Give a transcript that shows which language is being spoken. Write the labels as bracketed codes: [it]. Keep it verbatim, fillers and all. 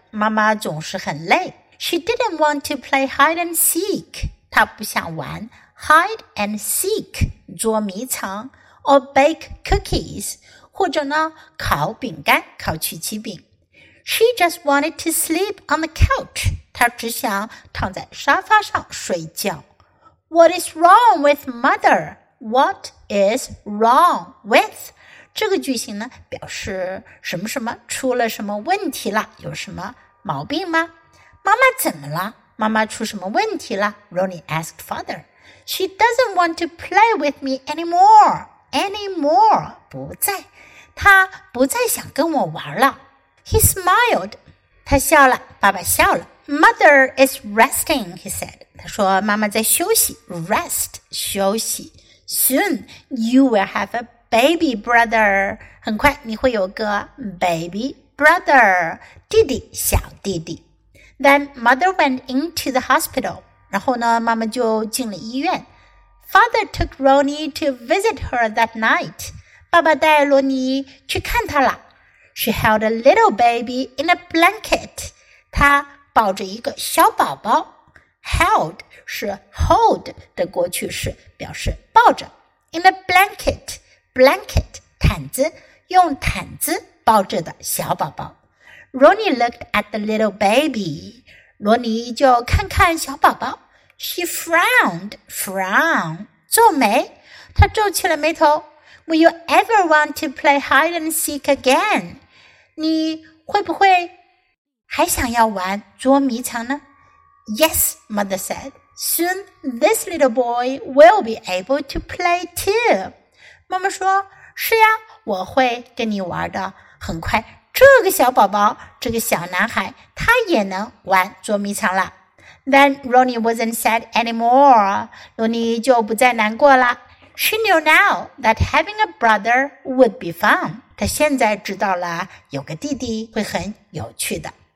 [zh] 妈妈总是很累。 [en] She didn't want to play hide and seek. [zh] 她不想玩 [en] hide and seek [zh] 捉迷藏 [en] or bake cookies [zh] 或者呢烤饼干烤曲奇饼。 [en] She just wanted to sleep on the couch. [zh] 她只想躺在沙发上睡觉。 [en] What is wrong with mother? What is wrong with? [zh] 这个句型呢表示什么什么出了什么问题了有什么毛病吗妈妈怎么了？妈妈出什么问题了 ？ [en] Ronnie asked father. She doesn't want to play with me anymore. [zh] Anymore 不再，她不再想跟我玩了。 [en] He smiled. [zh] 他笑了，爸爸笑了。 [en] Mother is resting. He said. [zh] 他说妈妈在休息 ，rest 休息。 [en] Soon you will have a baby brother. [zh] 很快你会有个 [en] baby brother [zh] 弟弟，小弟弟。 [en] Then mother went into the hospital. [zh] 然后呢，妈妈就进了医院。 [en] Father took Ronnie to visit her that night. [zh] 爸爸带罗尼去看她了。 [en] She held a little baby in a blanket. [zh] 她抱着一个小宝宝。Held 是 hold 的过去式，表示抱着。 [en] In a blanket, [zh] blanket 毯子，用毯子抱着的小宝宝。 [en] Ronnie looked at the little baby. [zh] 罗尼就看看小宝宝。 [en] She frowned, frown, [zh] 皱眉。她皱起了眉头。 [en] Will you ever want to play hide and seek again? [zh] 你会不会还想要玩捉迷藏呢？ [en] Yes, mother said. Soon this little boy will be able to play too. [zh] 妈妈说，是呀，我会跟你玩的。很快。这个小宝宝，这个小男孩，他也能玩捉迷藏了。 [en] Then Ronnie wasn't sad anymore. [zh] 罗尼就不再难过了。 [en] She knew now that having a brother would be fun. [zh] 她现在知道了，有个弟弟会很有趣的。